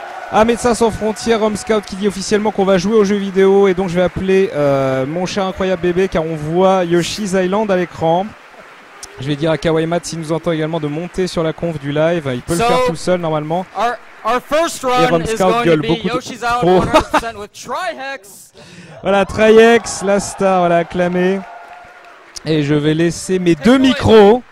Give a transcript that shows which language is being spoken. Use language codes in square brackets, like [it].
[fr] Ah, Médecins Sans Frontières, Home Scout qui dit officiellement qu'on va jouer aux jeux vidéo. Et donc je vais appeler mon cher incroyable bébé car on voit Yoshi's Island à l'écran. Je vais dire à Kawaii Matt s'il nous entend également de monter sur la conf du live. Il peut le faire tout seul normalement. [en] Our first run is going to be beaucoup Yoshi's Island 100% with Trihex. [fr] Voilà, Trihex, la star, voilà, acclamé. Et je vais laisser mes deux micros.